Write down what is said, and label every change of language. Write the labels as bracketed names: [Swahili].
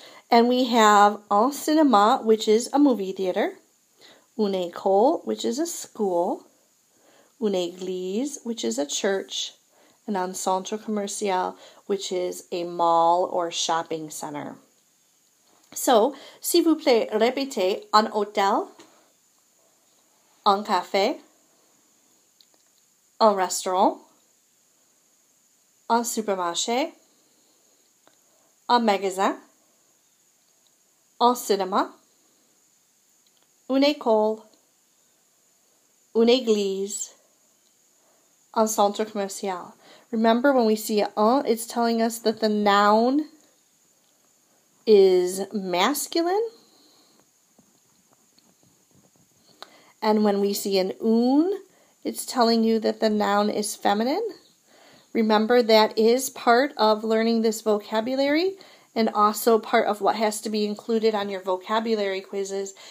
[English] And we have [French] un cinéma, [English] which is a movie theater. [French] Une école, [English] which is a school. [French] Une église, [English] which is a church. And [French] un centre commercial, [English] which is a mall or shopping center. [French] So, s'il vous plaît, répétez. Un hôtel, un café, un restaurant, un supermarché, un magasin, un cinéma, une école, une église, un centre commercial. [English] Remember, when we see un, it's telling us that the noun is masculine. And when we see an un, it's telling you that the noun is feminine. Remember, that is part of learning this vocabulary and also part of what has to be included on your vocabulary quizzes.